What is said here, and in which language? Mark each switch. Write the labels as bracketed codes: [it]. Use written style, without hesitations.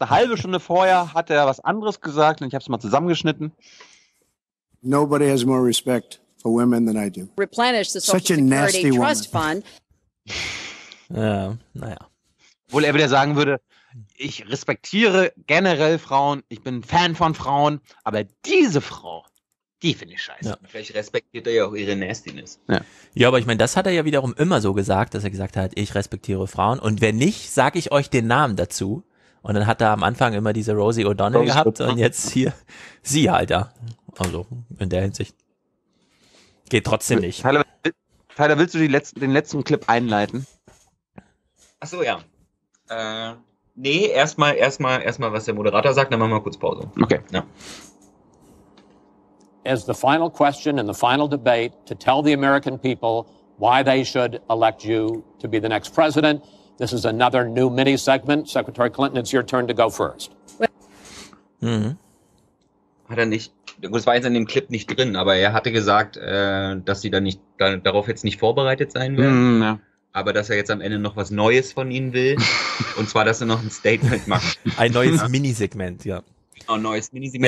[de] Eine halbe Stunde vorher hat er was anderes gesagt und ich habe es mal zusammengeschnitten. [en] Nobody has more respect for women than I do. Replenish the Social Security Trust Fund. [de] Ja, naja. Obwohl er wieder sagen würde, ich respektiere generell Frauen, ich bin Fan von Frauen, aber diese Frau, die finde ich scheiße. Ja. Vielleicht respektiert er ja auch ihre Nastiness. Ja, aber ich meine, das hat er ja wiederum immer so gesagt, dass er gesagt hat, ich respektiere Frauen und wenn nicht, sage ich euch den Namen dazu. Und dann hat er am Anfang immer diese Rosie O'Donnell gehabt und jetzt hier sie halt, ja. Also in der Hinsicht. Geht trotzdem nicht. Tyler, willst du den letzten Clip einleiten? Achso, ja. Erstmal, was der Moderator sagt, dann machen wir mal kurz Pause. Okay. Ja. [en] As the final question in the final debate to tell the American people why they should elect you to be the next president, this is another new mini-segment. Secretary Clinton, it's your turn to go first. Mhm. [de] Hat er nicht, das war jetzt in dem Clip nicht drin, aber er hatte gesagt, dass sie darauf jetzt nicht vorbereitet sein werden. Mhm, ja. Aber dass er jetzt am Ende noch was Neues von ihnen will. Und zwar, dass er noch ein Statement macht. Ein neues Minisegment, ja. Ein neues Minisegment.